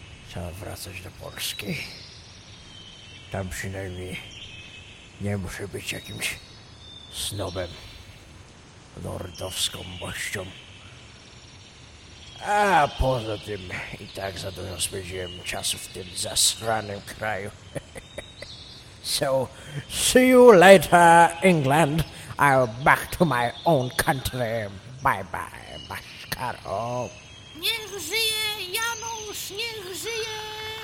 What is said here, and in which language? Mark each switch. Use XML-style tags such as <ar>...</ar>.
<pl>Trzeba wracać do Polski. Tam przynajmniej nie muszę być jakimś snobem, lordowską mością. A poza tym i tak za dużo spędziłem czasu w tym zasranym kraju.</pl> <en>So, see you later, England. I'll back to my own country. Bye-bye, Maszkaro.</en> <pl>Niech żyje Janusz, niech żyje!</pl>